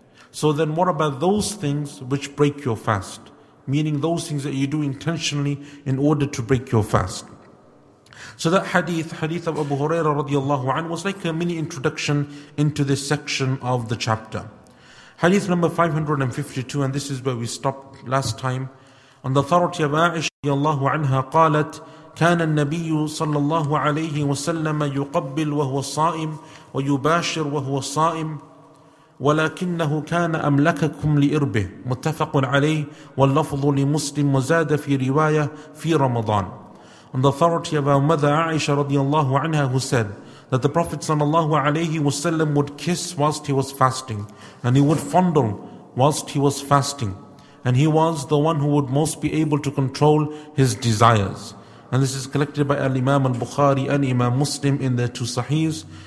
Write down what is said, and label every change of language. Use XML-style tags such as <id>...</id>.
<en>So then what about those things which break your fast? Meaning those things that you do intentionally in order to break your fast. So that hadith of Abu Hurairah radiallahu anhu, was like a mini introduction into this section of the chapter. Hadith number 552, and this is where we stopped last time. On the authority of Aisha radiallahu anha,</en> <ar>قالت كان النبي صلى الله عليه وسلم يقبل وهو صائم ويباشر وهو صائم ولكنه كان أملككم لإربه متفق عليه واللفظ لمسلم وزاد في رواية في رمضان.</ar> <en>On the authority of our mother Aisha radiallahu anha, who said that the Prophet sallallahu alayhi wasallam would kiss whilst he was fasting, and he would fondle whilst he was fasting, and he was the one who would most be able to control his desires. And this is collected by Al-Imam al-Bukhari and Imam Muslim in their two sahihs.</en>